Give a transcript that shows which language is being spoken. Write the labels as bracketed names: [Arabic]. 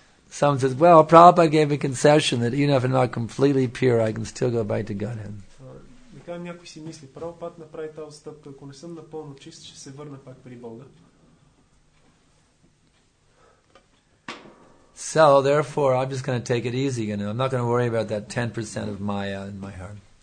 [English] Someone says, well, Prabhupada gave a concession that even if I'm not completely pure, I can still go back to Godhead. [Bulgarian] Някой си мисли, Prabhupada направи тази стъпка, ако не съм напълно чист, ще се върна пак при Бога. [English] So therefore, I'm just going to take it easy, you know. I'm not going to worry about that 10% of Maya in my heart.